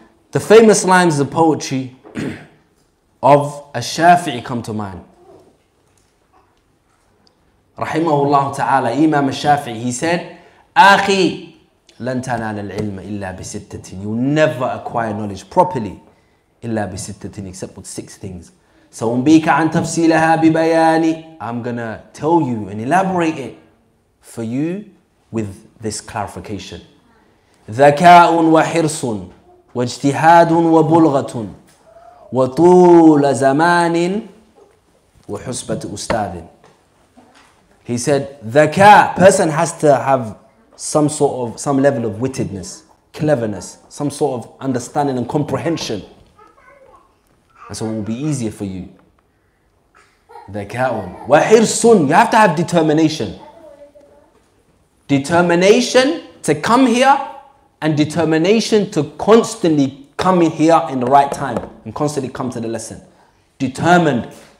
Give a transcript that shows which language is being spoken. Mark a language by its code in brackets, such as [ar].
[en] The famous lines of poetry of al-Shafi'i come to mind. [ar] Rahimahullah ta'ala, Imam al-Shafi'i, [en] he said, [ar] أخي لن تنال العلم إلا بستة. [en] You will never acquire knowledge properly [ar] إلا بستة, [en] except with six things. [ar] سأنبيك عن تفسيلها ببياني. [en] I'm gonna tell you and elaborate it for you with this clarification. [ar] ذكاء وحرص واجتهاد وبلغة وطول زمان وحسبة أستاذ. [en] He said, ذكاء, person has to have some sort of, some level of wittedness, cleverness, some sort of understanding and comprehension. And so it will be easier for you. [ar] ذكاء. [en] وحرصٌ, you have to have determination. Determination to come here and determination to constantly come in here in the right time and constantly come to the lesson. Determined.